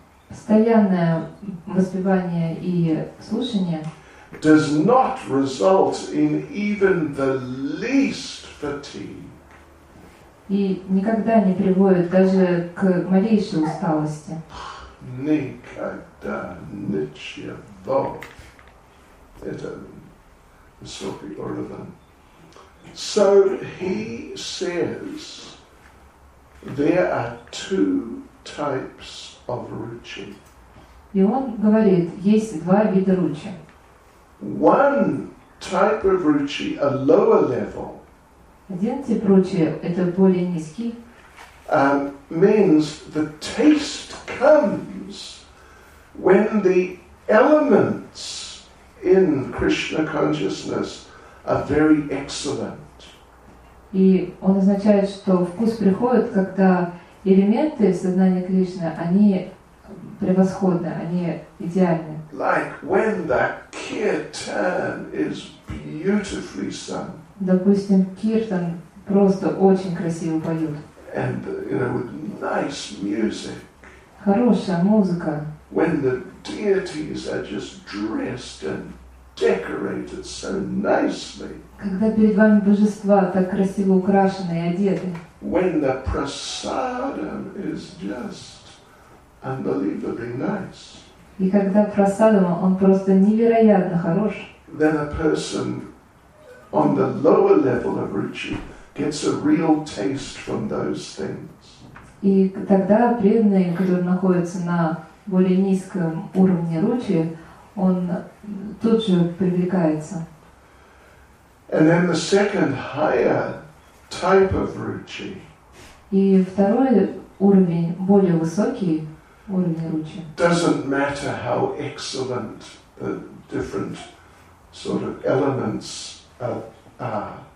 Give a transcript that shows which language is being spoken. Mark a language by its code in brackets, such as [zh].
[ru] Постоянное воспевание и слушание [en] does not result in even the least fatigue. [ru] И никогда не приводит даже к малейшей усталости. Никогда, ничего. Это высокий уровень. [en] So he says there are two types of ruchi. [ru] И он говорит, есть два вида ruchi. [en] One type of ruchi, a lower level. [ru] Один тип ruchi, это более низкий. [en] Means the taste comes when the elements in Krishna consciousness are very excellent. [ru] И он означает, что вкус приходит, когда элементы сознания Кришны, они превосходны, они идеальны. [en] Like when the kirtan is beautifully sung. [ru] Допустим, киртан просто очень красиво поет. [en] And you know, with nice music. [ru] Хорошая музыка. [en] When the deities are just dressed and decorated so nicely. [ru] Когда перед вами божества так красиво украшены и одеты. [en] When the prasadam is just unbelievably nice. [ru] И когда прасадам он просто невероятно хорош. [en] Then a person on the lower level of ruchi gets a real taste from those things. [ru] И тогда преданный, который находится на более низком уровне ruchi, он тут же привлекается. [en] And then the second higher type of ruchi. [ru] И второй уровень, более высокий уровень ruchi. [en] Doesn't matter how excellent the different sort of elements are.